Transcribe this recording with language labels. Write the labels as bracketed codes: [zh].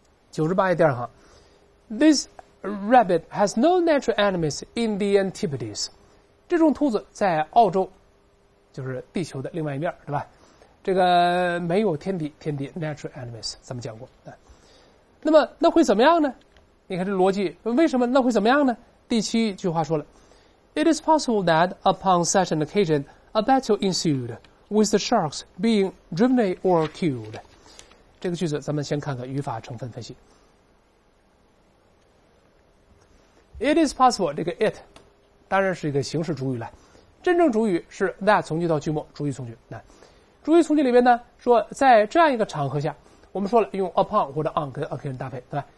[en] This rabbit has no natural enemies in the Antipodes， [zh] 这种兔子在澳洲就是地球的另外一面，对吧，这个没有天敌，天敌 [en] natural enemies， [zh] 咱们讲过。那么那会怎么样呢？你看这逻辑，为什么那会怎么样呢？第七句话说了 [en] It is possible that upon such an occasion a battle ensued with the sharks being driven away or killed。 [zh] 这个句子咱们先看看语法成分分析。 [en] It is possible， [zh] 这个 it 当然是一个形式主语了，真正主语是 that 从句到句末，主语从句。那主语从句里边呢，说在这样一个场合下，我们说了用 upon 或者 on 跟 occasion 搭配，对吧？